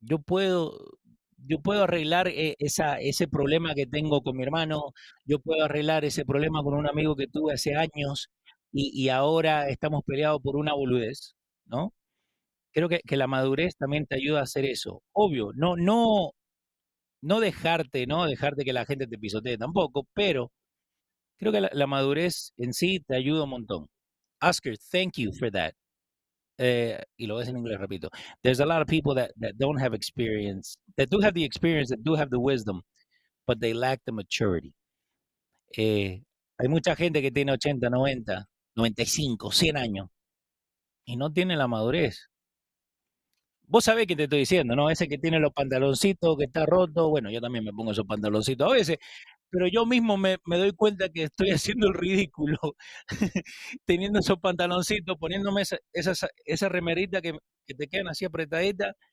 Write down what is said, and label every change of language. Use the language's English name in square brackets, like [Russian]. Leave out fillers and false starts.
[Spanish] Yo puedo arreglar ese problema que tengo con mi hermano, yo puedo arreglar ese problema con un amigo que tuve hace años y ahora estamos peleados por una boludez, ¿no? Creo que la madurez también te ayuda a hacer eso. Obvio, no dejarte, ¿no? Dejarte que la gente te pisotee tampoco, pero creo que la madurez en sí te ayuda un montón. Oscar, [English] thank you for that. [Spanish] Y lo ves en inglés, repito. [English] There's a lot of people that don't have experience, that do have the experience, that do have the wisdom, but they lack the maturity. [Spanish] Hay mucha gente que tiene 80, 90, 95, 100 años y no tiene la madurez. Vos sabés qué te estoy diciendo, ¿no? Ese que tiene los pantaloncitos, que está roto. Bueno, yo también me pongo esos pantaloncitos a veces, pero yo mismo me doy cuenta que estoy haciendo el ridículo teniendo esos pantaloncitos, poniéndome esa remerita que te quedan así apretadita.